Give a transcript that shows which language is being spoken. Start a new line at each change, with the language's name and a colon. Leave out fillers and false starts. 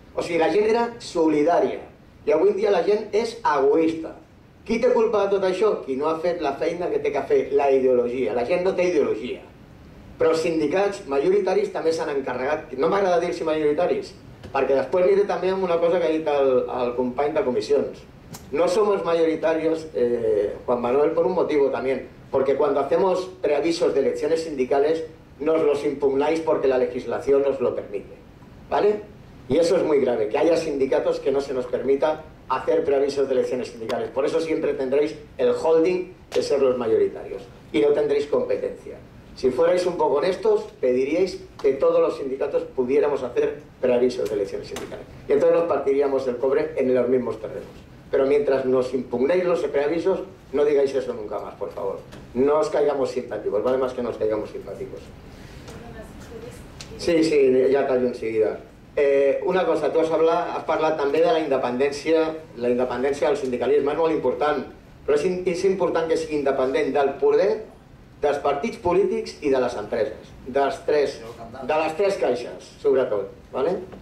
Catalan: O sigui, la gent era solidària. I avui dia la gent és egoista. Qui té culpa de tot això? Qui no ha fet la feina que té que fer? La ideologia. La gent no té ideologia. Però els sindicats majoritaris també s'han encarregat. No m'agrada dir-los majoritaris, perquè després aniré també amb una cosa que ha dit el company de comissions.
Spanish: No somos majoritarios, Juan Manuel, por un motivo también. Porque cuando hacemos preavisos de elecciones sindicales, nos los impugnáis porque la legislación nos lo permite. ¿Vale? Y eso es muy grave, que haya sindicatos que no se nos permita hacer preavisos de elecciones sindicales. Por eso siempre tendréis el holding de ser los mayoritarios. Y no tendréis competencia. Si fuerais un poco honestos, pediríais que todos los sindicatos pudiéramos hacer preavisos de elecciones sindicales. Y entonces nos partiríamos del cobre en los mismos terrenos. Pero mientras nos impugnéis los preavisos, no digáis eso nunca más, por favor. No os caigamos simpáticos, vale más que nos caigamos simpáticos. Sí, sí, ya callo enseguida.
Catalan: Una cosa, tú has parlat també de la independència del sindicalisme, és molt important, però és important que sigui independent del poder, dels partits polítics i de les empreses, de les tres caixes, sobretot, vale?